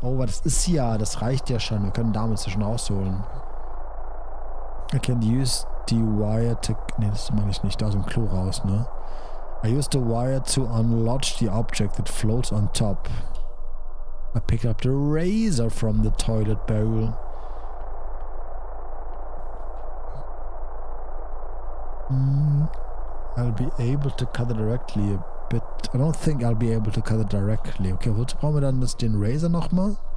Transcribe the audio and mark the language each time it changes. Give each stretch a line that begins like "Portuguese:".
German: Oh, das ist ja, das reicht ja schon. Wir können damit schon ausholen.
English: I can use the wire to...
German: Nee, das meine ich nicht. Da aus dem Klo raus, ne?
English: I use the wire to unlodge the object that floats on top. I pick up the razor from the toilet bowl. I'll be able to cut it directly a bit. I don't think I'll be able to cut it directly.
German: Okay, wozu brauchen wir dann das, den Razor nochmal?